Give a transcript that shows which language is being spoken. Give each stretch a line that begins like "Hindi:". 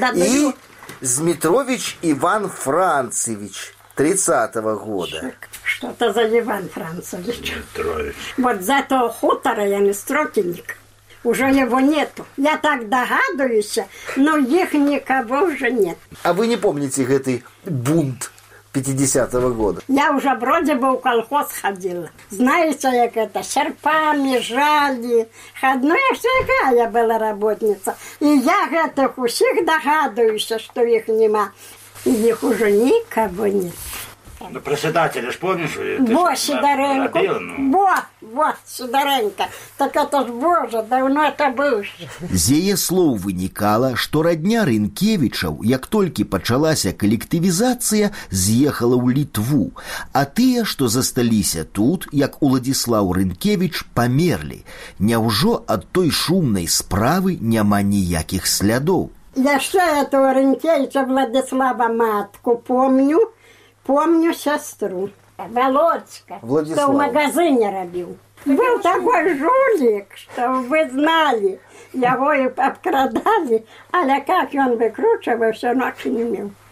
Russian: І Змітровіч Іван Францевіч, 30-го года. Што-то за Іван Францевіч. Змітровіч. Вот за то хутора я не строкінік. Уже его нету. Я так догадуюсь, но их никого уже нет. А вы не помните этот бунт 50-го года? Я уже вроде бы в колхоз ходила. Знаете, как это? Серпами жали. Ну, я всегда я была работница. И я этих всех догадуюсь, что их нема. И их уже никого нет. Ну, председателя ж помнишь? Во, Сидоренко. Сидоренко. Так это ж, Боже, давно это было.
Belarusian: З яе слоў вынікала, што родня Рынкевічаў, як толькі пачалася калектывізацыя, з'ехала ў Літву. А тыя, што засталіся тут, як Уладзіслаў Рынкевіч, памерлі. Няўжо ад той шумнай справы няма ніякіх слядоў?
Russian: Я ще этого Рынкевіча Владислава матку помню. Помню сестру, Володька, Владислав. Что в магазине робил. Был такой жулик, что вы знали, его и обкрадали, але как он выкручивался, ночи не имел.